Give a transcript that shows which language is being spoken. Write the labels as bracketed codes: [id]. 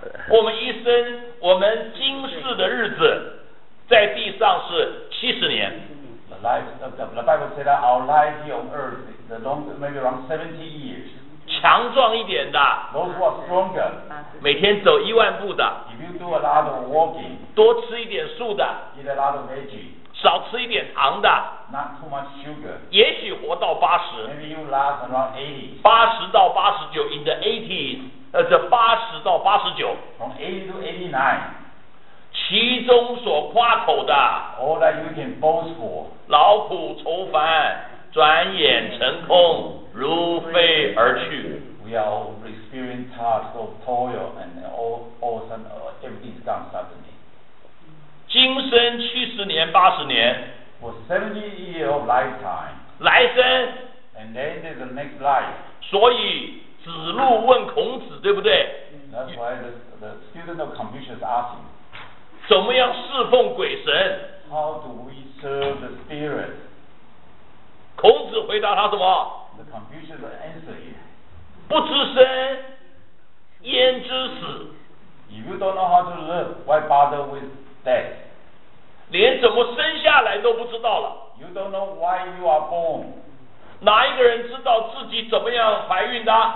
[zh] 我们一生，我们今世的日子，在地上是七十年。 [en] The Bible said that our life here on earth is maybe around 70 years. [zh] 强壮一点的。 [en] Those who are stronger. [zh] 每天走一万步的。 [en] If you do a lot of walking. [zh] 多吃一点素的。 [en] Eat a lot of veggie. [zh] 少吃一点糖的。 [en] Not too much sugar. [zh] 也许活到八十。 [en] Maybe you last around 80. [zh] 八十到八十九 ， [en] in the 80s. [zh] 这八十到八十九 [en] ，from 80 to 89， [zh] 其中所夸口的 [en] ，all that you can boast for， [zh] 劳苦愁烦，转眼成空，如飞而去。 [en] We are experiencing tasks of toil and all some everything's gone suddenly。 [zh] 今生七十年、八十年 [en] ，for 70 years of lifetime， [zh] 来生 [en] ，and then there's the next life。 [zh] 所以。子路问孔子，对不对？ [en] That's why the student of Confucius asked him. [zh] 怎么样侍奉鬼神？ [en] How do we serve the spirit? [zh] 孔子回答他什么？ [en] The Confucius answered him. [zh] 不知生，焉知死？ [en] If you don't know how to live, why bother with death? [zh] 连怎么生下来都不知道了。 [en] You don't know why you are born. [zh] 哪一个人知道自己怎么样怀孕的？